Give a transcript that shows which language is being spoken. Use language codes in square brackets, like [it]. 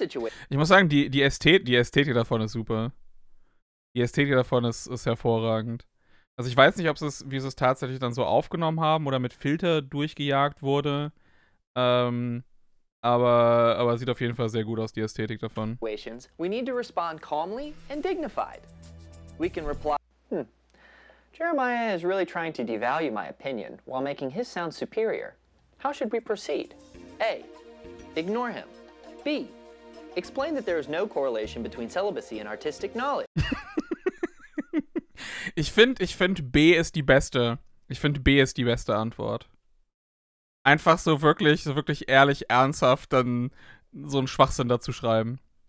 [de] ich muss sagen, die Ästhetik davon ist super. Die Ästhetik davon ist hervorragend. Also ich weiß nicht, wie sie es tatsächlich dann so aufgenommen haben oder mit Filter durchgejagt wurde. Aber sieht auf jeden Fall sehr gut aus, die Ästhetik davon. [en] We need to respond calmly and dignified. We can reply. Jeremiah is really trying to devalue my opinion while making his sound superior. How should we proceed? A. Ignore him. B. Explain that there is no correlation between celibacy and artistic knowledge. [de] Ich find B ist die beste. Ich finde B ist die beste Antwort. Einfach so wirklich ehrlich, ernsthaft dann so einen Schwachsinn dazu schreiben.